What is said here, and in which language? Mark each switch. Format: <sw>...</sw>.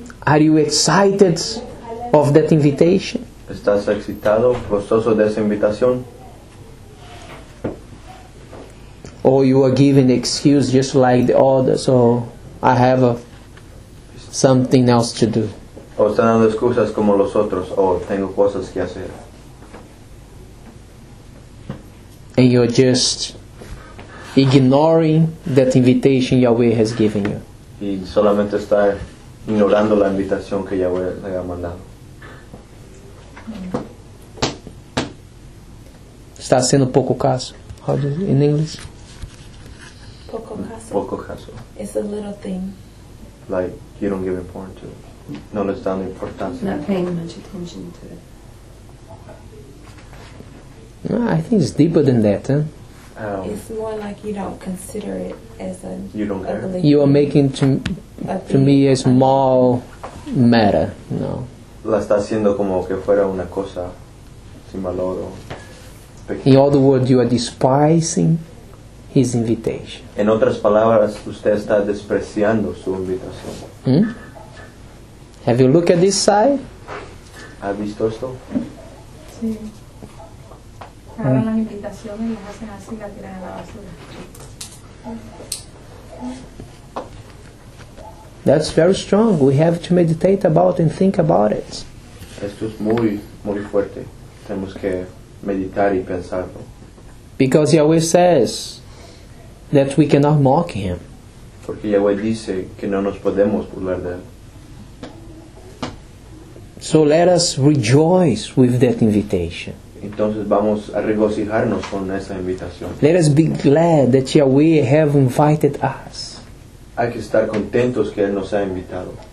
<en>Are you excited of that invitation?</en> <es>¿Estás excitado, gozoso de esa invitación?</es> <en>Or you are giving excuse just like the others, or I have something else to do.</en> <es>O están dando excusas como los otros, o tengo cosas que hacer.</es> <en>And you're just ignoring that invitation Yahweh has given you.</en> <es>Y solamente está ignorando la invitación que Yahweh le ha mandado. Está sendo pouco caso.</es> <en>How do you in English?</en> <es>Poco caso.</es> <en>It's a little thing. Like you don't give importance to it.</en> <es>No le está dando importancia.</es> <en>Not paying much attention to it. No, I think it's deeper than that, huh? It's more like you don't consider it as a. You don't care. A you are making to me a small matter, you know.</en> <es>La está haciendo como que fuera una cosa sin valor o pequeña.</es> <en>In other words, you are despising his invitation.</en> <es>En otras palabras, usted está despreciando su invitación.</es> <en>Have you looked at this side?</en> <es>¿Ha visto esto? Sí. Abran las invitaciones y las hacen así, la tiran a la basura.</es> <en>That's very strong. We have to meditate about and think about it.</en> <es>Esto es muy, muy fuerte. Tenemos que meditar y pensarlo.</es> <en>Because Yahweh says that we cannot mock him.</en> <es>Porque Yahweh dice que no nos podemos burlar de él.</es> <en>So let us rejoice with that invitation.</en> <es>entonces vamos a regocijarnos con esa invitación.</es> <en>Let us be glad that Yahweh have invited us.</en> <es>Hay que estar contentos que Él nos ha invitado.</es>